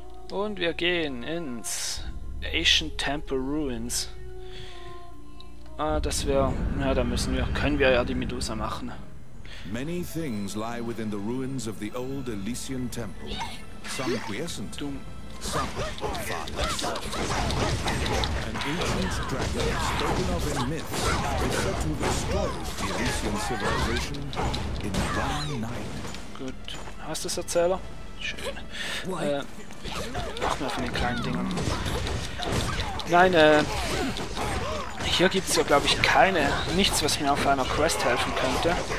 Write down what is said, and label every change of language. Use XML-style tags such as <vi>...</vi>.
<de>Und wir gehen ins Ancient Temple Ruins. Ah, das wäre... Na, da müssen wir... Können wir ja die Medusa machen.</de> <en>Many things lie within the ruins of the old Elysian Temple. Some quiescent, some fatherless. An ancient dragon spoken of in myths is said to destroy the Elysian civilization in one night.</en> <de>Gut. Hast du es, Erzähler? Schön. Mach mal von den kleinen Dingen. Nein, hier gibt es ja, glaube ich, keine, nichts, was mir auf einer Quest helfen könnte.</de>